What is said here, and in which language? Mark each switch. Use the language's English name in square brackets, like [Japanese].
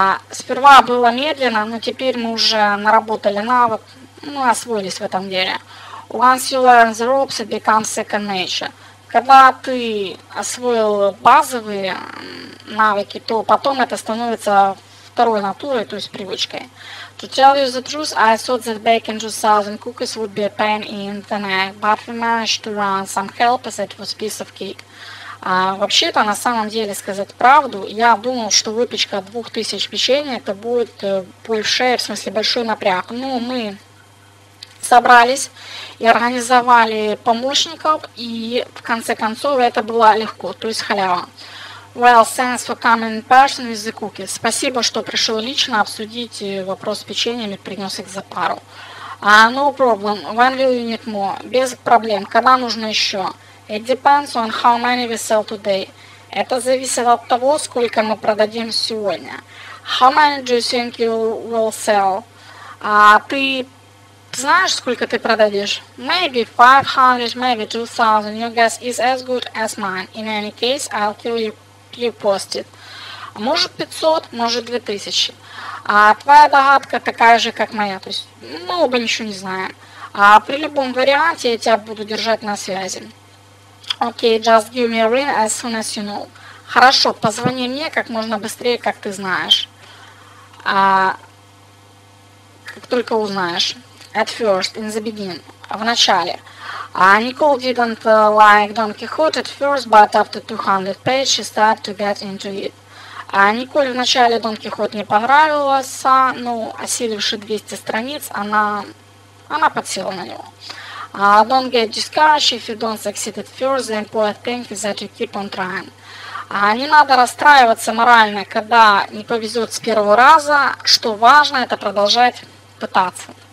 [Russian] Сперва было медленно, но теперь мы уже наработали навык, ну, освоились в этом деле. [English] Once you learn the ropes, it becomes second nature. [Russian] Когда ты освоил базовые навыки, то потом это становится второй натурой, то есть привычкой. [English] To tell you the truth, I thought that baking 2,000 cookies would be a pain in the neck, but we managed to run some help as it was a piece of cake. [Russian] Вообще-то, на самом деле, сказать правду, я думал, что выпечка 2000 печенья это будет большой, в смысле большой напряг. Но мы собрались и организовали помощников, и в конце концов это было легко, то есть халява. [English] Well, thanks for coming in person with the cookies. [Russian] Спасибо, что пришел лично обсудить вопрос с печеньями, принес их за пару. [English] No problem. When will you need more? [Russian] Без проблем. Когда нужно еще? [English] It depends on how many we sell today. [Russian] Это зависит от того, сколько мы продадим сегодня. [English] How many do you think you will sell? [Russian] Ты знаешь, сколько ты продадешь? [English] Maybe 500, maybe 2000. Your guess is as good as mine. In any case, I'll kill you. You posted. [Russian] Может 500, может 2000. А твоя догадка такая же, как моя. То есть мы оба ничего не знаем. А при любом варианте я тебя буду держать на связи. [English] Окей, just give me a ring as soon as you know. [Russian] Хорошо, позвони мне как можно быстрее, как ты знаешь. Как только узнаешь. [English] At first, in the beginning. [Russian] В начале. [English] Nicole didn't like Don Quixote at first, but after 200 pages she started to get into it. [Russian] Nicole вначале Don Quixote не понравился, но осиливши 200 страниц, она подсела на него. [English] Don't get discouraged if you don't succeed at first, the important thing is that you keep on trying. [Russian] Не надо расстраиваться морально, когда не повезет с первого раза, что важно, это продолжать пытаться.